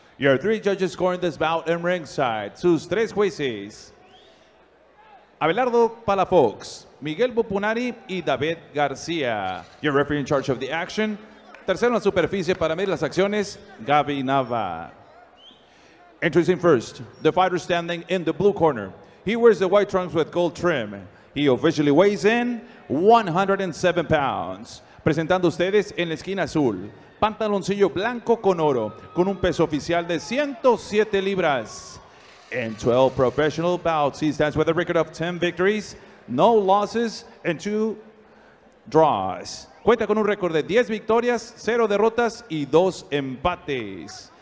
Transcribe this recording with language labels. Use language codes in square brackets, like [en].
[en] Your 3 judges scoring this bout in ringside. [es] Sus 3 jueces: Abelardo Palafox, Miguel Bupunari y David García. [en] Your referee in charge of the action. [es] Tercero en la superficie para medir las acciones, Gaby Nava. [en] Introducing first, the fighter standing in the blue corner. He wears the white trunks with gold trim. He officially weighs in 107 pounds. [es] Presentando ustedes en la esquina azul, pantaloncillo blanco con oro, con un peso oficial de 107 libras. [en] In 12 professional bouts, he stands with a record of 10 victories, no losses, and 2 draws. [es] Cuenta con un récord de 10 victorias, 0 derrotas y 2 empates.